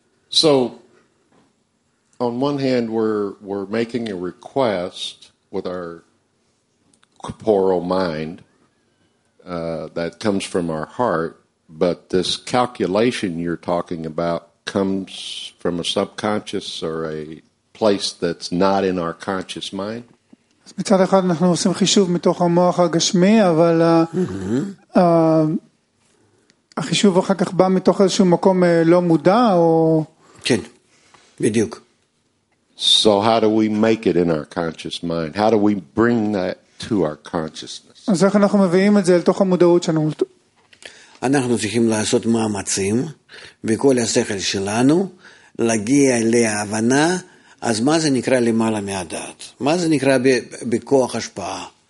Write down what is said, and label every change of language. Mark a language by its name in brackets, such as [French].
[English] So, on one hand, we're making a request with our corporal mind that comes from our heart, but this calculation you're talking about comes from a subconscious or a place that's not in our conscious mind. [Hebrew] מצד אחד אנחנו עושים חישוב מתוך המוח הגשמי, אבל החישוב אחר כך בא מתוך איזשהו מקום לא מודע או כן בדיוק. [English] So how do we make it in our conscious mind? How do we bring that to our consciousness? [Hebrew] אז איך אנחנו מביאים את זה אל תוך המודעות שלנו? אנחנו צריכים לעשות מאמצים בכל השכל שלנו להגיע להבנה. אז מה זה נקרא למעלה מהדעת? מה זה נקרא בכוח השפעה?